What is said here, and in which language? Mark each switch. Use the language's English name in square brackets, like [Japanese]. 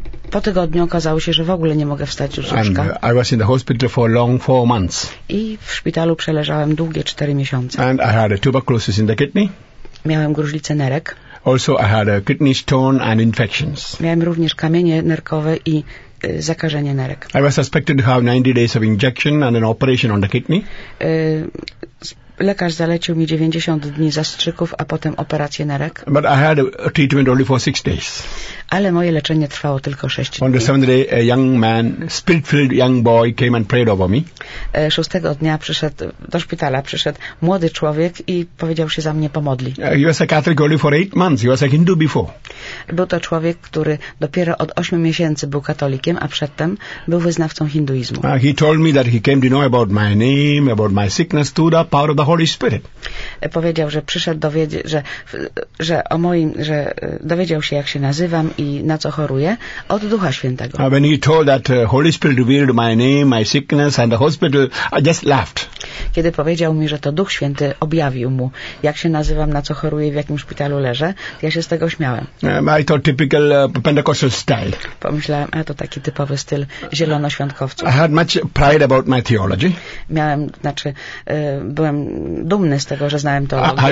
[Polish] Po tygodniu okazało się, że w ogóle nie mogę wstać z łóżka. [English] And I was in the hospital for long 4 months. [Polish] I w szpitalu przeleżałem długie 4 miesiące. [English] And I had a tuberculosis in the kidney. [Polish] Miałem gruźlicę nerek. [English] Also I had a kidney stone and infections. [Polish] Miałem również kamienie nerkowe i zakażenie nerek. [English] I was suspected to have 90 days of injection and an operation on the kidney. [Polish] Lekarz zalecił mi 90 dni zastrzyków, a potem operację nerek. [English] But I had a treatment only for 6 days. [Polish] Ale moje leczenie trwało tylko 6 dni. [English] On the 7th day, a young man, spirit-filled young boy came and prayed over me. [Polish] 6 dnia przyszedł do szpitala, przyszedł młody człowiek i powiedział się za mnie pomodli. [English] He was a Catholic only for 8 months. He was a Hindu before. [Polish] Był to człowiek, który dopiero od 8 miesięcy był katolikiem, a przedtem był wyznawcą hinduizmu. [English] He told me that he came to know about my name, about my sickness, through the power of the Holy Spirit. [Polish] Powiedział, że przyszedł dowiedzieć, że dowiedział się, jak się nazywam i na co choruję, od Ducha Świętego. [English] When he told that Holy Spirit revealed my name, my sickness and the hospital, I just laughed. [Polish] Kiedy powiedział mi, że to Duch Święty objawił mu, jak się nazywam, na co choruję, w jakim szpitalu leżę, ja się z tego śmiałem. [English] I thought typical Pentecostal style. [Polish] Pomyślałem, a to taki typowy styl zielonoświątkowców. [English] I had much pride about my theology. [Polish] Miałem, znaczy, byłem dumny z tego, że znałem teologię.